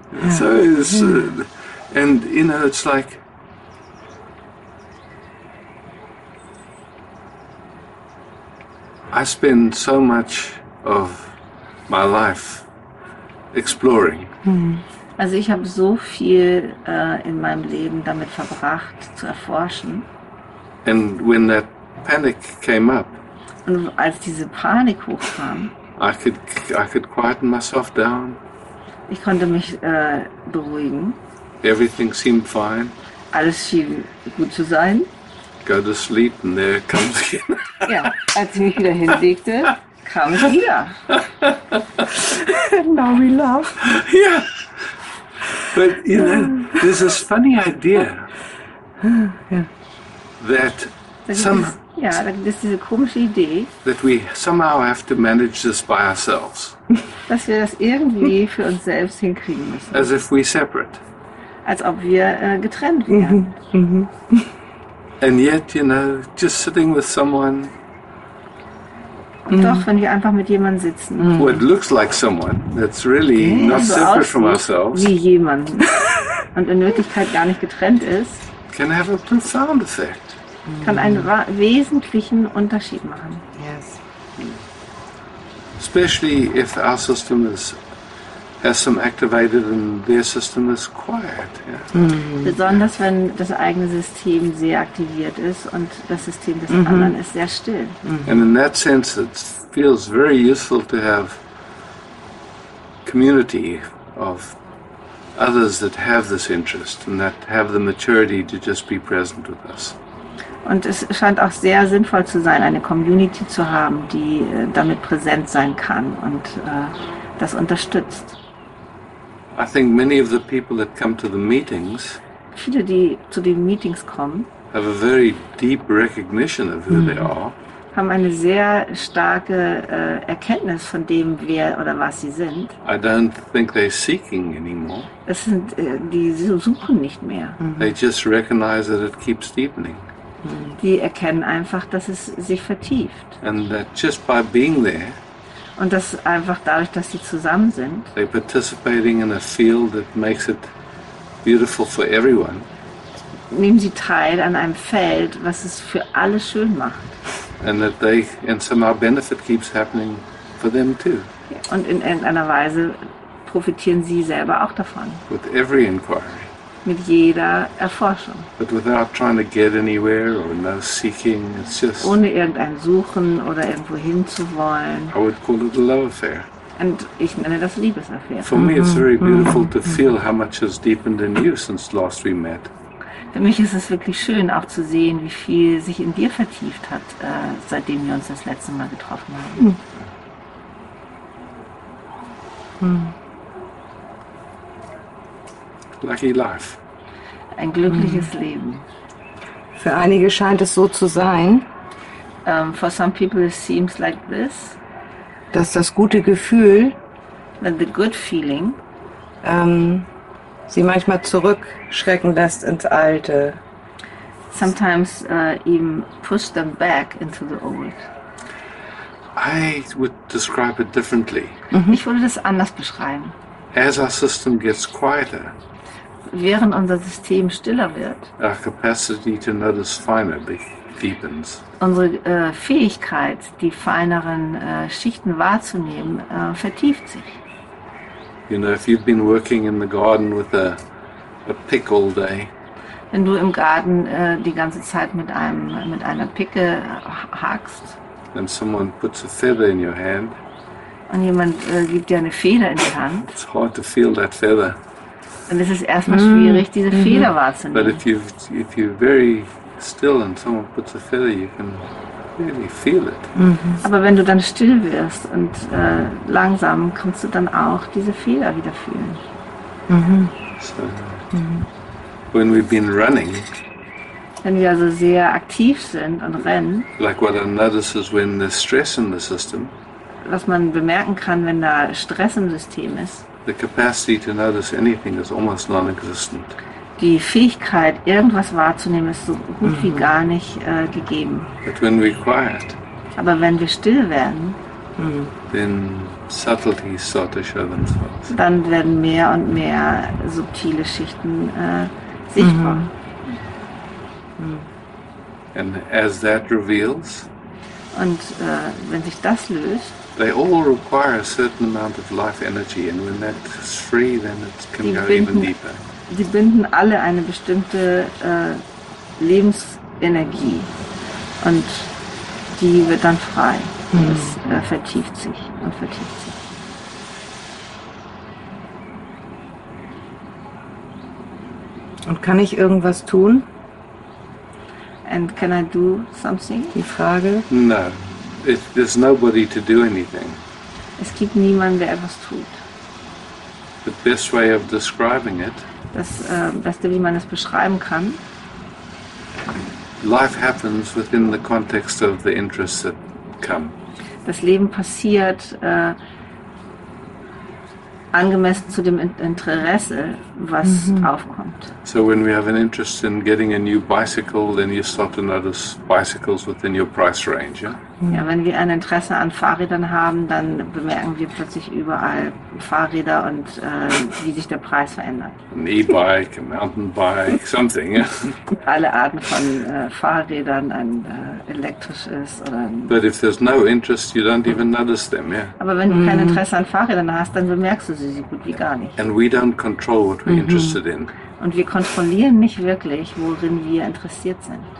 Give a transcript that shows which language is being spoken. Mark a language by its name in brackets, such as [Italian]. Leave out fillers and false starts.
[English] So it's, and you know, it's like I spend so much of my life exploring. [German] Also ich habe so viel in meinem Leben damit verbracht zu erforschen. [English] And when that panic came up, [German] und als diese Panik hochkam, [English] I could quieten myself down. [German] Ich konnte mich beruhigen. [English] Everything seemed fine. [German] Alles schien gut zu sein. [English] Go to sleep and there it comes again. [German] Ja, als ich mich wieder hinlegte, kam es wieder. [English] Now we love. Yeah. But you know, there's this funny idea. That some. [German] Ja, das ist diese komische Idee, [English] that we somehow have to manage this by ourselves. [German] Dass wir das irgendwie für uns selbst hinkriegen müssen. [English] As if we're separate. [German] Als ob wir getrennt wären. [English] And yet, you know, just sitting with someone. [German] Und doch, wenn wir einfach mit jemandem sitzen. [English] What looks like someone that's really not so separate from ourselves. [German] Wie jemand. Und in Wirklichkeit gar nicht getrennt ist. [English] Can have a profound effect. [German] Kann einen wesentlichen Unterschied machen. [English] Yes. especially if our system is has some activated and their system is quiet. Yeah. Mm-hmm. [German] Besonders wenn das eigene System sehr aktiviert ist und das System des mm-hmm. anderen ist sehr still. Mm-hmm. [English] And in that sense, it feels very useful to have community of others that have this interest and that have the maturity to just be present with us. [German] Und es scheint auch sehr sinnvoll zu sein, eine Community zu haben, die damit präsent sein kann und das unterstützt. [English] I think many of the people that come to the meetings, [German] viele, die zu den Meetings kommen, [English] have a very deep recognition of who they are. [German] Haben eine sehr starke Erkenntnis von dem, wer oder was sie sind. [English] I don't think they're seeking anymore. [German] Es sind, die suchen nicht mehr. [English] They just recognize that it keeps deepening. [German] Die erkennen einfach, dass es sich vertieft. [English] And that just by being there, [German] und das einfach dadurch, dass sie zusammen sind, [English] they're participating in a field that makes it beautiful for everyone. [German] Nehmen sie teil an einem Feld, was es für alle schön macht. [English] And that they, and somehow benefit keeps happening for them too. [German] Und in irgendeiner Weise profitieren sie selber auch davon. [English] With every inquiry. [German] Mit jeder Erforschung. [English] But without trying to get anywhere or no seeking, it's just. [German] Ohne irgendein Suchen oder irgendwo hinzuwollen. [English] I would call it a love affair. [German] Und ich nenne das Liebesaffäre. [English] For me, it's very beautiful to feel how much has deepened in you since last we met. [German] Für mich ist es wirklich schön, auch zu sehen, wie viel sich in dir vertieft hat, seitdem wir uns das letzte Mal getroffen haben. [English] Lucky life. [German] Ein glückliches Leben. Für einige scheint es so zu sein. [English] For some people it seems like this. [German] Dass das gute Gefühl, [English] that the good feeling, [German] sie manchmal zurückschrecken lässt ins Alte. [English] Sometimes even push them back into the old. I would describe it differently. [German] Mm-hmm. Ich würde das anders beschreiben. [English] As our system gets quieter, [German] während unser System stiller wird, [English] our capacity to notice finer deepens. [German] Unsere Fähigkeit, die feineren Schichten wahrzunehmen, vertieft sich. [English] You know, if you've been working in the garden with a pick all day, [German] wenn du im Garten die ganze Zeit mit einer Picke hackst, [English] and someone puts a feather in your hand, [German] und jemand gibt dir eine Feder in die Hand, [English] it's hard to feel that feather. [German] Und es ist erstmal schwierig, diese Feder wahrzunehmen. [English] But if you're very still and someone puts a feather, you can really feel it. [German] Aber wenn du dann still wirst und langsam, kannst du dann auch diese Feder wieder fühlen. [English] When we've been running, [German] wenn wir also sehr aktiv sind und rennen, [English] like what I notice is when there's stress in the system, [German] was man bemerken kann, wenn da Stress im System ist, [English] the capacity to notice anything is almost non-existent. [German] Die Fähigkeit, irgendwas wahrzunehmen, ist so gut wie gar nicht gegeben. [English] But when we're quiet, [German] aber wenn wir still werden, [English] then subtleties start to show themselves. [German] Dann werden mehr und mehr subtile Schichten sichtbar. [English] And as that reveals, [German] und wenn sich das löst, [English] they all require a certain amount of life energy, and when that's free, then it can go even deeper. [German] Die binden alle eine bestimmte Lebensenergie und die wird dann frei. Es vertieft sich und vertieft sich. Und kann ich irgendwas tun? [English] And can I do something? [German] Die Frage. [English] No, there's nobody to do anything. [German] Es gibt niemanden, der etwas tut. [English] The best way of describing it. [German] Das Beste, wie man es beschreiben kann. [English] Life happens within the context of the interests that come. [German] Das Leben passiert angemessen zu dem Interesse, was aufkommt. [English] So when we have an interest in getting a new bicycle, then you start to notice bicycles within your price range, yeah? [German] Ja, wenn wir ein Interesse an Fahrrädern haben, dann bemerken wir plötzlich überall Fahrräder und wie sich der Preis verändert. Ein E-Bike, Mountainbike, [English] something. [German] Alle Arten von Fahrrädern, ein elektrisch ist. Oder ein [English] But if there's no interest, you don't even notice them, yeah. [German] Aber wenn du kein Interesse an Fahrrädern hast, dann bemerkst du sie so gut wie gar nicht. [English] And we don't control what we're interested in. [German] Und wir kontrollieren nicht wirklich, worin wir interessiert sind.